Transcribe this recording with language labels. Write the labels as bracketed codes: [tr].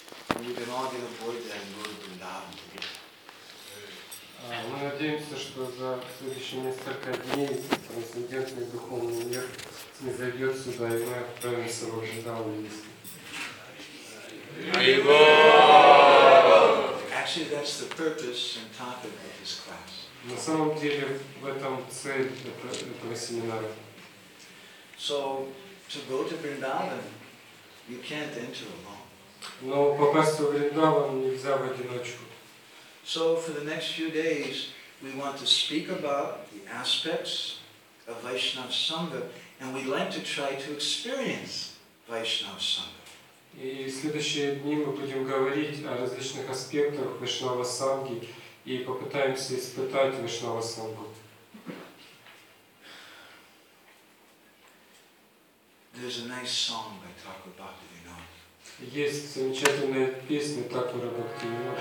[en] And we can all get aboard that and go to Vrindavan together. [ru] Мы надеемся, что за следующие несколько дней трансцендентный духовный мир не зайдет сюда, и мы отправимся в Вриндаван. [en] Actually, that's the purpose and topic of this class. [ru] На самом деле, в этом цель этого семинара. [en] So, to go to Vrindavan, you can't enter alone. [ru] Но попасть в Вриндаван нельзя в одиночку. [en] So for the next few days, we want to speak about the aspects of Vaishnava Sangha, and we'd like to try to experience Vaishnava Sangha. [ru] И в следующие дни мы будем говорить о различных аспектах Вайшнава Сангхи и попытаемся испытать Вайшнава Сангху. [en] There's a nice song by Thakur Bhaktivinoda. [ru] Есть замечательная песня Такура Бхактивинода.